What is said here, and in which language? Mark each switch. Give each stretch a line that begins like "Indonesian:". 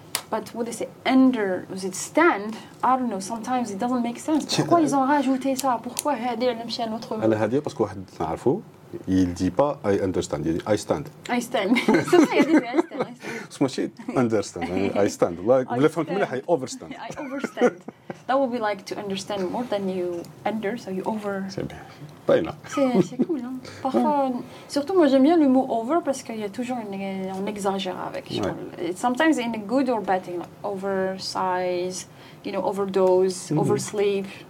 English: But would they say under? Was it stand? I don't know. Sometimes it doesn't make sense.
French: Pourquoi ils ont rajouté ça? Pourquoi Hadir l'a mis à un autre mot? Elle a dit parce que on a fait. Il dit pas
English: I understand.
French: Il dit
English: I stand. I stand.
French: C'est ça, il dit I stand. C'est moi,
English: understand. I stand.
French: Like, vous l'avez fait en tout cas,
English: I overstand. I overstand. That would be like to understand more than you under, so you over.
French: C'est bien. Pas énorme. C'est cool, non? Parfois, surtout moi j'aime bien le mot over parce qu'il y a toujours on exagère avec. Ouais.
English: Sometimes in a good or bad thing, like oversize, you know, overdose, oversleep.